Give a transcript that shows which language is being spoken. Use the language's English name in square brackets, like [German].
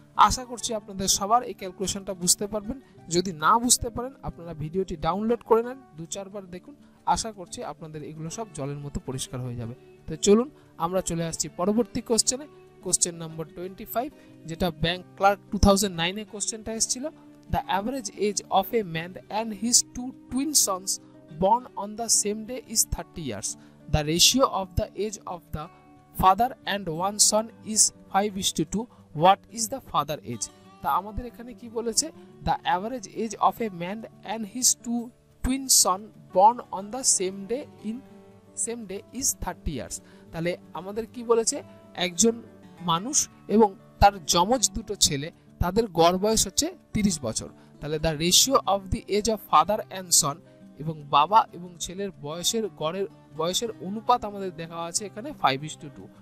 [Bangla] আশা করছি আপনাদের সবার এই ক্যালকুলেশনটা বুঝতে পারবেন, যদি না বুঝতে পারেন আপনারা ভিডিওটি ডাউনলোড করে নেন, দু চারবার দেখুন, আশা করছি আপনাদের এগুলো সব জলের মতো পরিষ্কার হয়ে যাবে। তো চলুন আমরা চলে আসছি পরবর্তী কোশ্চেনে, কোশ্চেন নম্বর 25, যেটা ব্যাংক ক্লার্ক 2009 কোশ্চেনটা এসেছিল। [English] The average age of a man and his two twin sons born on the same day is 30 years. The ratio of the age of the father and one son is 5:2. What is the father age? [Bangla] তা আমাদের এখানে কি বলেছে, [English] the average age of a man and his two twin son born on the same day in same day is 30 years. [Bangla] তাহলে আমাদের কি বলেছে, একজন মানুষ এবং তার যমজ দুটো ছেলে, তাদের গড় বয়স হচ্ছে 30 বছর। তাহলে [English] the ratio of the age of father and son, [Bangla] এবং বাবা এবং ছেলের বয়সের গড়ের বয়সের অনুপাত আমাদের দেখা আছে এখানে 5:2।